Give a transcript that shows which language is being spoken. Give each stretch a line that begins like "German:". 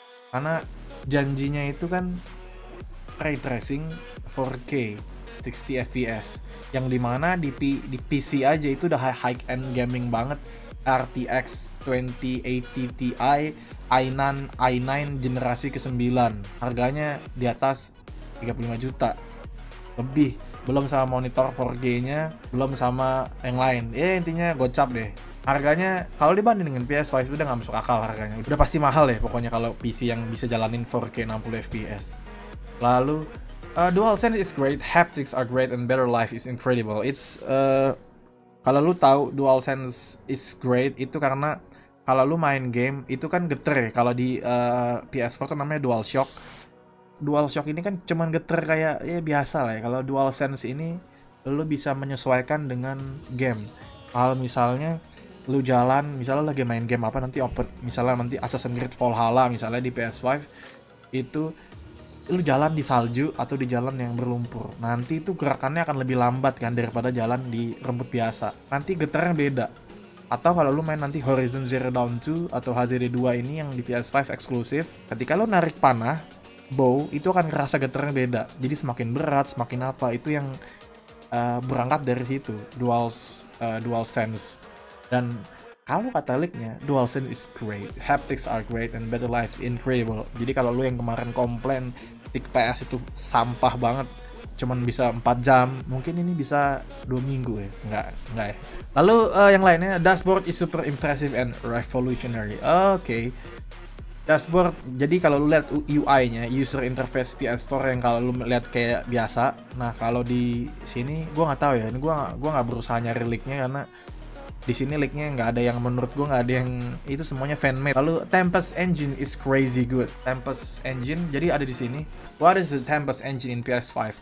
Indonesian: Karena janjinya itu kan ray tracing 4K 60fps yang dimana di PC aja itu udah high end gaming banget, RTX 2080 Ti, i9 generasi ke-9, harganya di atas 35 juta lebih, belum sama monitor 4K nya, belum sama yang lain. Ya intinya gocap deh. Harganya kalau dibanding dengan PS5 udah nggak masuk akal harganya. Udah pasti mahal ya pokoknya kalau PC yang bisa jalanin 4K 60fps.
English: Lalu DualSense is great, haptics are great, and better life is incredible.
Indonesian: It's kalau lu tahu
English: DualSense is great
Indonesian: itu karena kalau lu main game itu kan geter ya. Kalau di PS4 tuh namanya DualShock. DualShock ini kan cuman geter kayak ya biasa lah ya. Kalau DualSense ini lu bisa menyesuaikan dengan game. hal misalnya lu jalan, misalnya lagi main game apa nanti open, misalnya nanti Assassin's Creed Valhalla misalnya di PS5 itu lu jalan di salju atau di jalan yang berlumpur. Nanti itu gerakannya akan lebih lambat kan daripada jalan di rumput biasa. Nanti getarnya beda. Atau kalau lu main nanti Horizon Zero Dawn 2 atau HZD2 ini yang di PS5 eksklusif, ketika lu narik panah, bow, itu akan ngerasa getarnya beda. Jadi semakin berat, semakin apa, itu yang berangkat dari situ, DualSense. Dan kalau kataliknya,
English: DualSense is great, haptics are great, and better life is incredible.
Indonesian: Jadi kalau lu yang kemarin komplain, stick PS itu sampah banget, cuman bisa 4 jam, mungkin ini bisa 2 minggu ya, enggak ya. Lalu yang lainnya,
English: dashboard is super impressive and revolutionary. Okay.
Indonesian: Dashboard, jadi kalau lu lihat UI-nya, user interface PS4 yang kalau lu lihat kayak biasa. Nah, kalau di sini gua enggak tahu ya, ini gua enggak berusaha nyari leak-nya karena di sini leak-nya enggak ada yang menurut gua enggak ada yang itu semuanya fan made. Lalu Tempest Engine
English: is crazy good.
Indonesian: Tempest Engine, jadi ada di sini.
English: What is the Tempest Engine in PS5?